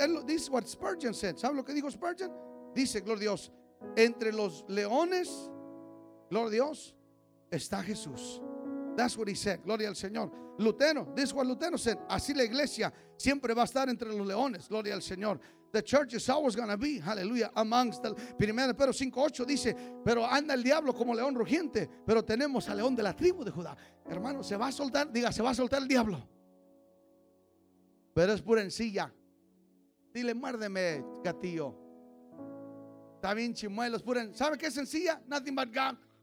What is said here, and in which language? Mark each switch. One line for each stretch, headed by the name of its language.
English: This is what Spurgeon said.
Spanish: ¿Sabe lo que dijo Spurgeon? Dice, gloria a Dios, entre los leones, gloria a Dios, está Jesús.
English: That's what he said.
Spanish: Gloria al Señor.
English: Lutero, this is what Lutero said.
Spanish: Así la iglesia siempre va a estar entre los leones. Gloria al Señor.
English: The church is always going to be, hallelujah, amongst the...
Spanish: Primero Pedro 5:8 dice, pero anda el diablo como león rugiente, pero tenemos al león de la tribu de Judá. Hermano, se va a soltar, diga, se va a soltar el diablo. Pero es pura encilla. Dile, muérdeme, gatillo. Está bien chimuelo, es pura encilla. ¿Sabe qué es encilla?
English: Nothing but gunk.